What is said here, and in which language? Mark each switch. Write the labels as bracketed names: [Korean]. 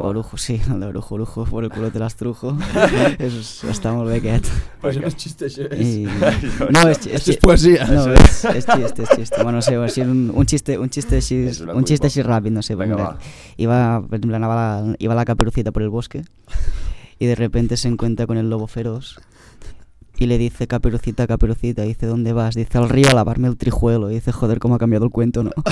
[Spanish] Orujo, sí, el de Orujo, por el culo te las trujo. [Catalan] Eso està molt bé, aquest. Però això no és xiste, això és. I... no, és xiste. Això és poesia. No, és xiste, és xiste. Bueno, no sé, va ser un xiste així ràpid, no sé. Venga, va. [Spanish] Iba, [Catalan] per exemple, [Spanish] iba la Caperucita por el bosque y de repente se encuentra con el lobo feroz y le dice: Caperucita, Caperucita. Y dice: ¿dónde vas? Dice: al río a lavarme el trijuelo. Y dice: joder, cómo ha cambiado el cuento, ¿no?